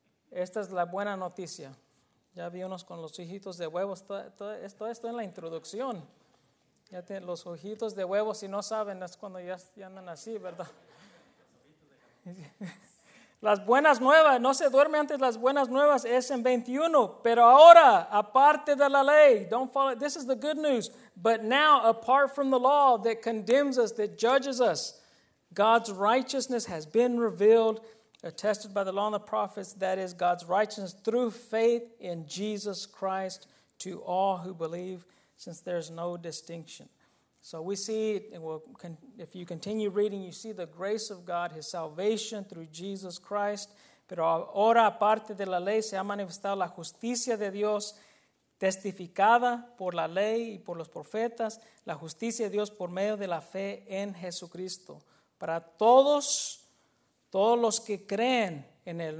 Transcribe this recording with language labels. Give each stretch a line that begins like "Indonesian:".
Spanish: Esta es la buena noticia. Ya vi unos con los hijitos de huevos. Todo esto en la introducción. Ya tienen los ojitos de huevo, si no saben, es cuando ya andan así, ¿verdad? Las buenas nuevas, no se duerme antes, las buenas nuevas es en 21. Pero ahora, aparte de la ley,
English: don't follow, this is the good news. But now, apart from the law that condemns us, that judges us, God's righteousness has been revealed, attested by the law and the prophets, that is God's righteousness through faith in Jesus Christ to all who believe, since there's no distinction. So we see, if you continue reading, you see the grace of God, his salvation through Jesus Christ.
Spanish: Pero ahora, aparte de la ley, se ha manifestado la justicia de Dios, testificada por la ley y por los profetas, la justicia de Dios por medio de la fe en Jesucristo. Para todos los que creen en Él.